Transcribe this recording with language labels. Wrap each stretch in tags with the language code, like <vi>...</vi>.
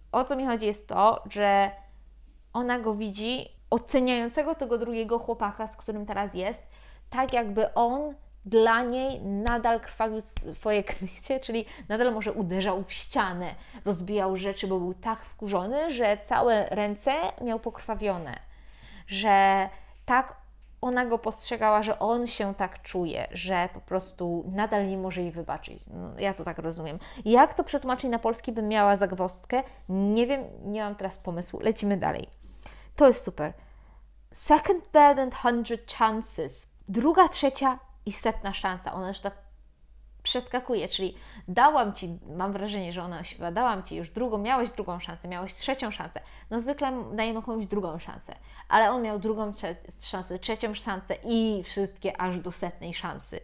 <pl>O co mi chodzi jest to, że ona go widzi, oceniającego tego drugiego chłopaka, z którym teraz jest, tak jakby on dla niej nadal krwawił swoje knycie, czyli nadal może uderzał w ścianę, rozbijał rzeczy, bo był tak wkurzony, że całe ręce miał pokrwawione. Że tak ona go postrzegała, że on się tak czuje, że po prostu nadal nie może jej wybaczyć. No, ja to tak rozumiem. Jak to przetłumaczyć na polski, bym miała zagwozdkę? Nie wiem, nie mam teraz pomysłu. Lecimy dalej. To jest super.</pl> <en>Second, third and 100 chances.</en> <pl>Druga, trzecia i setna szansa. Ona już tak przeskakuje, czyli dałam ci, mam wrażenie, że ona się dałam ci już drugą, miałeś drugą szansę, miałeś trzecią szansę. No zwykle dajemy komuś drugą szansę, ale on miał drugą szansę, trzecią szansę i wszystkie aż do setnej szansy.</pl>